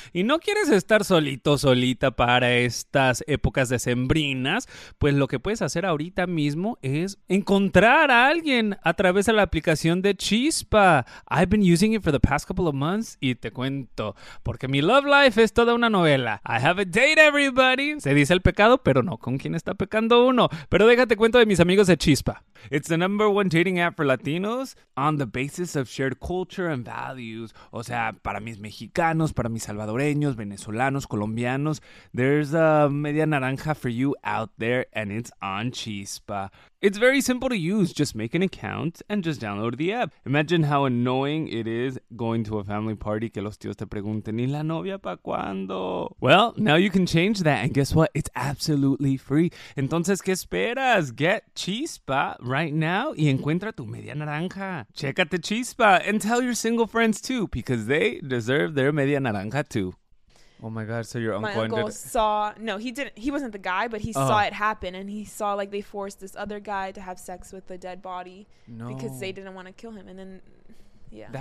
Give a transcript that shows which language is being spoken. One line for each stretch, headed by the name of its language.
Spanish: Y no quieres estar solito, solita para estas épocas decembrinas, pues lo que puedes hacer ahorita mismo es encontrar a alguien a través de la aplicación de Chispa.
English: I've been using it for the past couple of months
Spanish: y te cuento, porque mi love life es toda una novela.
English: I have a date, everybody.
Spanish: Se dice el pecado, pero no con quién está pecando uno. Pero déjate cuento de mis amigos de Chispa.
English: It's the number one dating app for Latinos on the basis of shared culture and values.
Spanish: O sea, para mis mexicanos, para mis salvadoreños, venezolanos, colombianos, there's a media naranja
English: for you out there, and it's on Chispa. It's very simple to use. Just make an account and just download the app. Imagine how annoying it is going to a family party
Spanish: que los tíos te pregunten, ¿y la novia pa' cuándo?
English: Well, now you can change that. And guess what? It's absolutely free.
Spanish: Entonces, ¿qué esperas?
English: Get Chispa right now
Spanish: y encuentra tu media naranja.
English: Chécate Chispa and tell your single friends too, because they deserve their media naranja too. Oh my God, so your uncle, my uncle saw, no, he didn't, he wasn't the guy, but he saw it happen, and he saw, like, they forced this other guy to have sex with the dead body because they didn't want to kill him, and then, yeah.